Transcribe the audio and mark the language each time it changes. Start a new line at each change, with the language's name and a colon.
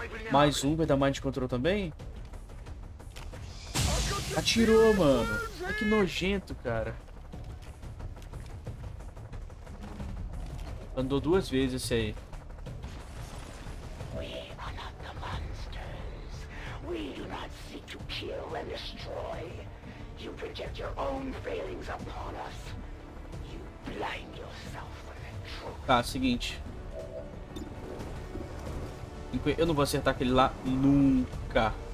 Portuguese: Mais um vai dar mind control também? Atirou, mano. Ai, que nojento, cara. Andou duas vezes esse aí.
English: We are not the monsters. We do not seek to kill and destroy. You project your own failings upon us. You blind yourself with the truth.
Portuguese: Tá, seguinte. Eu não vou acertar aquele lá nunca.